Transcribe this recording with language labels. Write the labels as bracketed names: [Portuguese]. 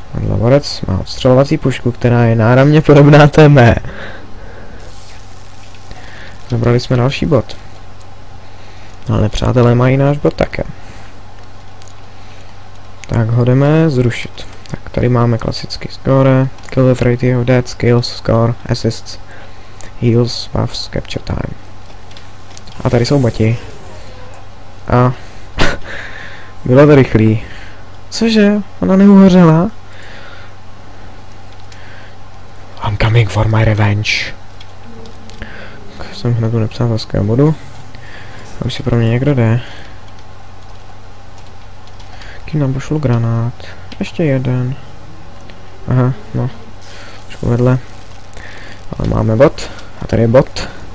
[Czech] Laborec má odstřelovací pušku, která je náramně podobná té mé. Zabrali jsme další bod. Ale nepřátelé mají náš bod také. Tak ho jdeme zrušit. Tak tady máme klasický score. [English] Kill death ratio, dead, skills, score, assists, heals, buffs, capture time. [Czech] A tady jsou boti. A bylo to rychlý. Cože? Ona neuhořela? [English] I'm coming for my revenge. [Czech] Jsem hned u nepřátelského bodu. A už si pro mě někdo jde. Kým nám pošlu granát? Ještě jeden. Aha, no. Pošlu vedle. Ale máme bot. A tady je bot.